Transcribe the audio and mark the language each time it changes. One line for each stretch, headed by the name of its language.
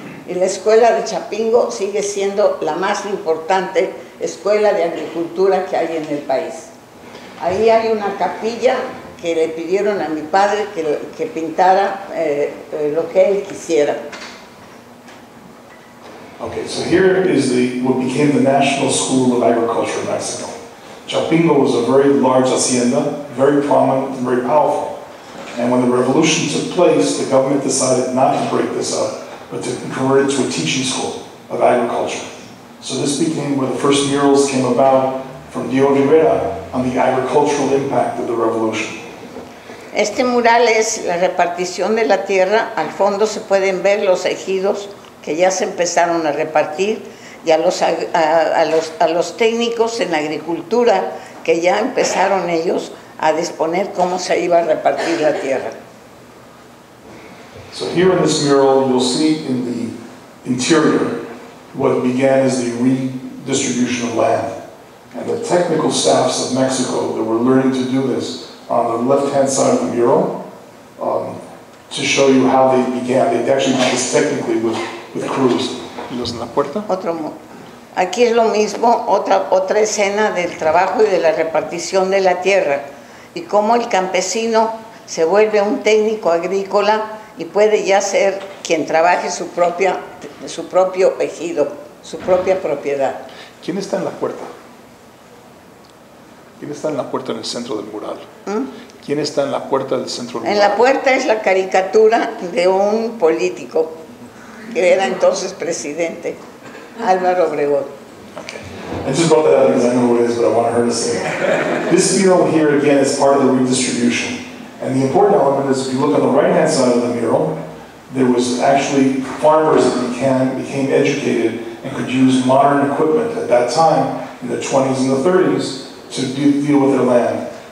Spanish: Y la escuela de Chapingo sigue siendo la más importante escuela de agricultura que hay en el país. Ahí hay una capilla que le pidieron a mi padre que pintara lo que él quisiera.
English: Okay, so here is what became the National School of Agriculture in Mexico. Chapingo was a very large hacienda, very prominent and very powerful. And when the revolution took place, the government decided not to break this up, but to convert it to a teaching school of agriculture. So this became where the first murals came about from Diego Rivera on the agricultural impact of the revolution.
Spanish: Este mural es la repartición de la tierra. Al fondo se pueden ver los ejidos que ya se empezaron a repartir, y a los técnicos en agricultura que ya empezaron ellos a disponer cómo se iba a repartir la tierra.
English: So here in this mural, you'll see in the interior what began as the redistribution of land. And the technical staffs of Mexico that were learning to do this on the left-hand side of the mural, to show you how they began. They actually did this technically with crews.
Spanish: ¿Y los en la puerta? Otro. Aquí es lo mismo, otra escena del trabajo y de la repartición de la tierra. Y cómo el campesino se vuelve un técnico agrícola y puede ya ser quien trabaje su propio ejido, su propia propiedad. ¿Quién está en la puerta? ¿Quién está en la puerta en el centro del mural? ¿Quién está en la puerta del centro del mural? En la puerta es la caricatura de un político que era entonces presidente, Álvaro Obregón.
English: Okay. I just brought that up because I know who it is, but I want her to say it. This mural here, again, is part of the redistribution. And the important element is, if you look on the right-hand side of the mural, there was actually farmers that became educated and could use modern equipment at that time, in the 20s and the 30s, to deal with their land.